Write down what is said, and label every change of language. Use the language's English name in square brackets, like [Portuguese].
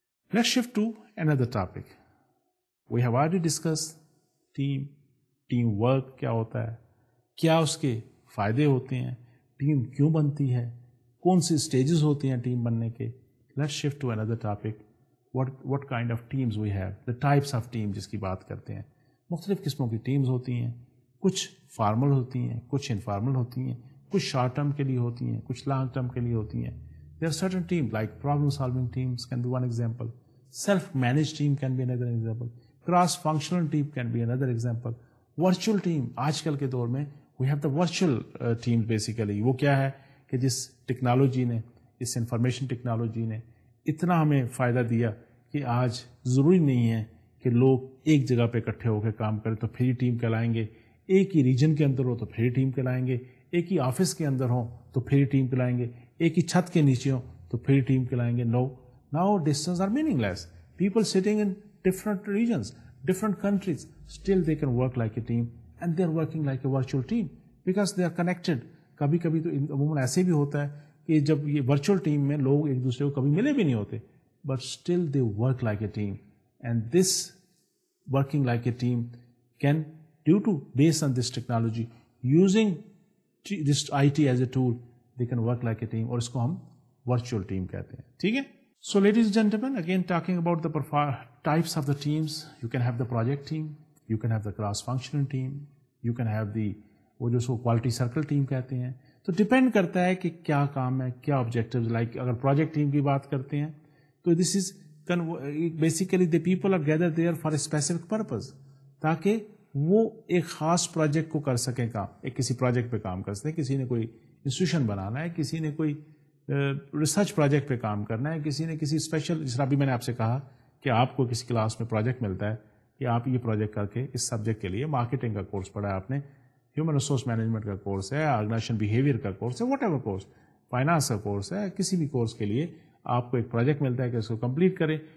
[English] Let's shift to another topic. We have already discuss [Urdu] team, team work کیا ہوتا ہے, کیا اس کے فائدے ہوتے ہیں, ٹیم کیوں بنتی ہے, کون سی اسٹیجز ہوتی ہیں ٹیم بننے کے. [English] Let's shift to another topic. What kind of teams we have, the types of team [Urdu] جس کی بات کرتے ہیں. مختلف قسموں کی ٹیمز ہوتی ہیں, کچھ فارمل ہوتی ہیں, کچھ انفارمل ہوتی ہیں, کچھ شارٹ ٹرم کے لیے ہوتی ہیں, کچھ لانگ ٹرم کے لیے ہوتی ہیں. [English] There are certain team like problem solving teams can be one example, self manage team can be another example, cross functional team can be another example, virtual team. [Urdu] آج کل کے دور میں [English] We have the virtual team basically. [Urdu] وہ کیا ہے کہ جس ٹیکنالوجی نے, اس انفارمیشن ٹیکنالوجی نے اتنا ہمیں فائدہ دیا کہ آج ضروری نہیں ہے کہ لوگ ایک جگہ پہ اکٹھے ہو کے کام کریں تو پھر ہی ٹیم کہلائیں گے, ایک ہی ریجن کے اندر ہو تو پھر ہی ٹیم کہلائیں گے, ایک ہی آفس کے اندر ہوں تو پھر ہی ٹیم کہلائیں گے, ایک ہی چھت کے نیچے ہوں تو پھر ہی ٹیم کہلائیں گے. [English] Now distance are meaningless. People sitting in different regions, different countries, still they can work like a team and they are working like a virtual team because they are connected. [Urdu] کبھی کبھی تو عموماً ایسے بھی ہوتا ہے کہ جب یہ ورچوئل ٹیم میں لوگ ایک دوسرے کو کبھی ملے بھی نہیں ہوتے, [English] but still they work like a team and this working like a team can due to base on this technology using this I T as a tool they can work like a team, [Urdu] اور اس کو ہم virtual team کہتے ہیں. ٹھیک ہے. [English] so ladies gentlemen, again talking about the types of the teams, you can have the project team, you can have the cross functional team, you can have the [Urdu] وہ جو اس کو کوالٹی سرکل ٹیم کہتے ہیں. تو depend کرتا ہے کہ کیا کام ہے, کیا آبجیکٹیوز. لائک اگر پروجیکٹ ٹیم کی بات کرتے ہیں تو [English] this is basically the people are gather there for a specific purpose, [Urdu] تاکہ وہ ایک خاص پروجیکٹ کو کر سکیں کام, ایک کسی پروجیکٹ پہ کام کر سکیں. کسی نے کوئی انسٹیٹیوشن بنانا ہے, کسی نے کوئی ریسرچ پروجیکٹ پہ کام کرنا ہے, کسی نے کسی اسپیشل, جس طرح ابھی میں نے آپ سے کہا کہ آپ کو کسی کلاس میں پروجیکٹ ملتا ہے کہ آپ یہ پروجیکٹ کر کے اس سبجیکٹ کے لیے, مارکیٹنگ کا کورس پڑھا ہے آپ نے, ہیومن ریسورس مینجمنٹ کا کورس ہے, آرگنائزیشن بیہیویئر کا کورس ہے, واٹ ایور کورس, فائنانس کا کورس ہے, کسی بھی کورس کے لیے آپ کو ایک پروجیکٹ ملتا ہے کہ اس کو کمپلیٹ کریں.